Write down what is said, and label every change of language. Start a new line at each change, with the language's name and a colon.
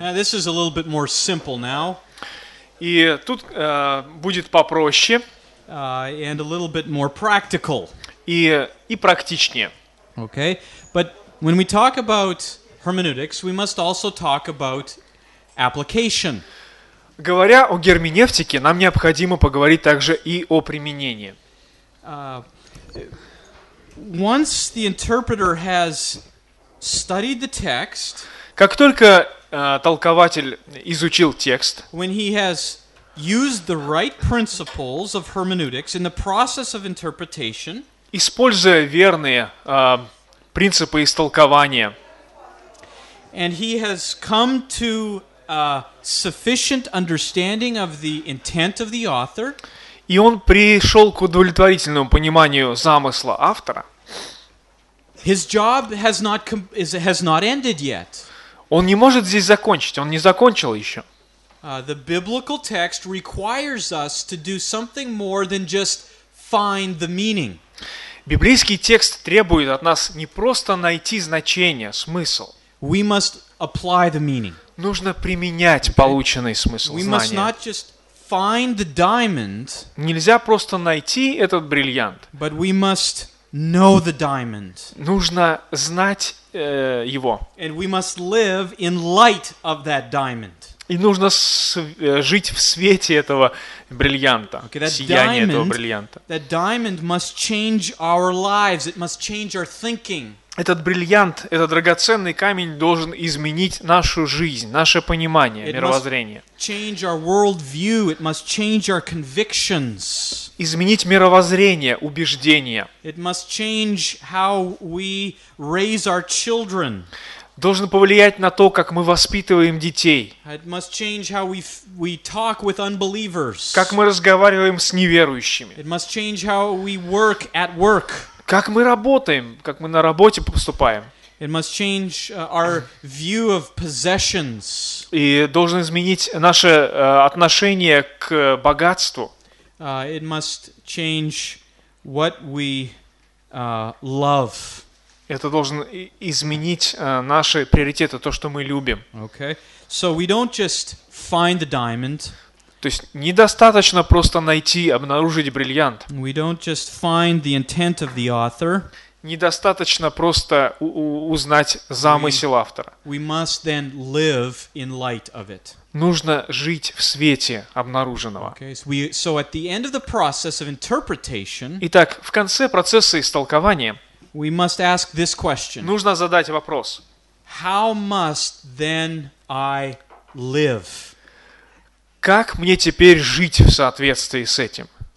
English: Now, this is a little bit more simple now.
Russian: И тут будет попроще.
English: And a little bit more practical.
Russian: И практичнее.
English: Okay, but when we talk about hermeneutics, we must also talk about application.
Russian: Говоря о герменевтике, нам необходимо поговорить также и о применении.
English: Once the interpreter has studied the text,
Russian: как только толкователь изучил текст,
English: when he has used the right principles of hermeneutics in the process of interpretation,
Russian: используя верные принципы истолкования,
English: and he has come to a sufficient understanding of the intent of the author,
Russian: и он пришел к удовлетворительному пониманию замысла автора.
English: His job has not ended yet.
Russian: Он не может здесь закончить, он не закончил еще.
English: The biblical text requires us to do something more than just find the meaning.
Russian: Библейский текст требует от нас не просто найти значение, смысл.
English: We must apply the meaning.
Russian: Нужно применять полученный смысл знания.
English: We must not just find the diamond.
Russian: Нельзя просто найти этот бриллиант.
English: But we must know the diamond.
Russian: Нужно знать его.
English: And we must live in light of that diamond.
Russian: И нужно жить в свете этого бриллианта, сияния этого бриллианта.
English: That diamond must change our lives. It must change our thinking.
Russian: Этот бриллиант, этот драгоценный камень должен изменить нашу жизнь, наше понимание, мировоззрение.
English: Change our worldview. It must change our convictions.
Russian: Изменить мировоззрение, убеждения.
English: It must change how we raise our children.
Russian: Должен повлиять на то, как мы воспитываем детей.
English: It must change how we talk with unbelievers.
Russian: Как мы разговариваем с неверующими.
English: It must change how we work at work.
Russian: Как мы работаем, как мы на работе поступаем.
English: It must change our view of possessions.
Russian: И должен изменить наше отношение к богатству.
English: It must change what we love.
Russian: Это должно изменить наши приоритеты, то, что мы любим.
English: Okay. So we don't just find the diamond.
Russian: То есть недостаточно просто найти, обнаружить бриллиант.
English: We don't just find the intent of the author.
Russian: Недостаточно просто узнать замысел автора.
English: We must then live in light of it.
Russian: Нужно жить в свете обнаруженного.
English: Okay. So at the end of the process of interpretation.
Russian: Итак, в конце процесса истолкования.
English: We must ask this question.
Russian: Нужно задать вопрос.
English: How must then I live?
Russian: Как мне теперь жить в соответствии с этим?